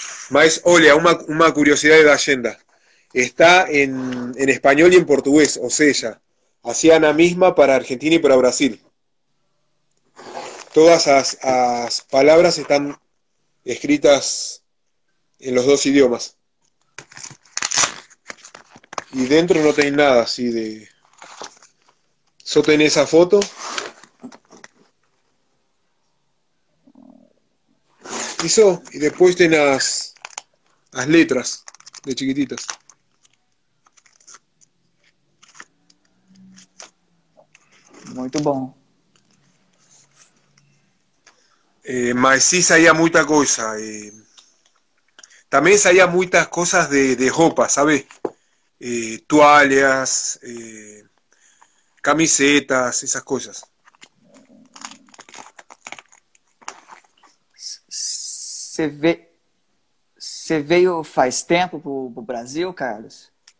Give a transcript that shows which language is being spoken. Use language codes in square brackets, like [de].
[pt] Mas olha, uma curiosidade da agenda. Está em espanhol e em português, ou seja, [es] hacían [pt] a mesma para Argentina e para Brasil. Todas as palavras estão escritas em los dois idiomas. [es] Y dentro no tenés nada así de... Solo tenés esa foto. Y después tenés las letras de chiquititas. [pt] Muito bom. [es] Mas sí salía mucha cosa. También salía muchas cosas de ropa, ¿sabes? [pt] Toalhas, camisetas, essas coisas. Você veio faz tempo pro Brasil, Carlos?